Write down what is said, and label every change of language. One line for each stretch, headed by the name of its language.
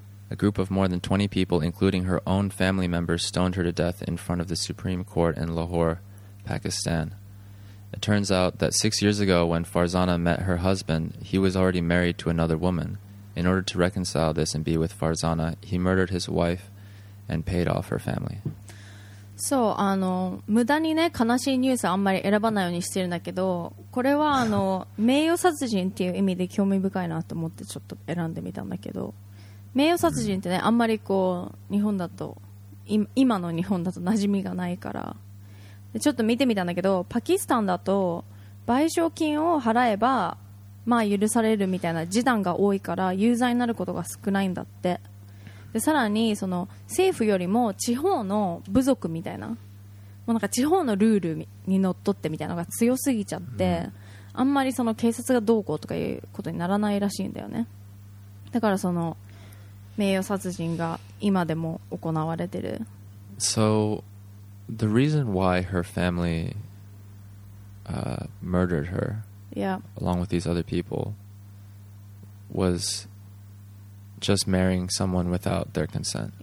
English: A group of more than 20 people, including her own family members, stoned her to death in front of the Supreme Court in Lahore, Pakistan. It turns out that 6 years ago, when Farzana met her husband, he was already married to another woman. In order to reconcile this and be with Farzana, he murdered his wife and paid off her family.
Japanese: そう、あの無駄にね、悲しいニュースあんまり選ばないようにしてるんだけど、これはあの名誉殺人っていう意味で興味深いなと思ってちょっと選んでみたんだけど、名誉殺人ってね、あんまりこう日本だと今の日本だと馴染みがないから、でちょっと見てみたんだけど、パキスタンだと賠償金を払えばまあ許されるみたいな示談が多いから有罪になることが少ないんだって。でさらにその政府よりも地方の部族みたいな、もうなんか地方のルールにのっとってみたいなのが強すぎちゃって、あんまりその警察がどうこうとかいうことにならないらしいんだよね。だからその名誉殺人が今でも行われてる。
English: So the reason why her family murdered her along with these other people was just marrying someone without their consent.